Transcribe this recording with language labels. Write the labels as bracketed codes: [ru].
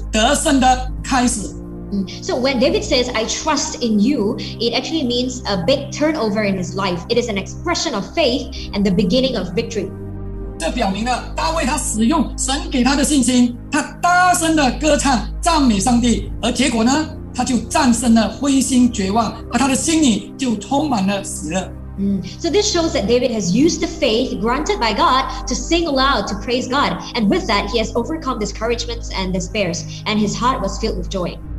[zh] 当我依靠你的意思就是大卫他的生命的大转变是信心的表现，也是得胜的开始。 [en] So when David says, I trust in you, it actually means a big turnover in his life. It is an expression of faith and the beginning of victory. [zh] 这表明了大卫他使用神给他的信心，他大声的歌唱赞美上帝，而结果呢，他就战胜了灰心绝望，而他的心里就充满了喜乐。 [en] So this shows that David has used the faith granted by God to sing aloud to praise God, and with that he has overcome discouragements and despairs, and his heart was filled with joy.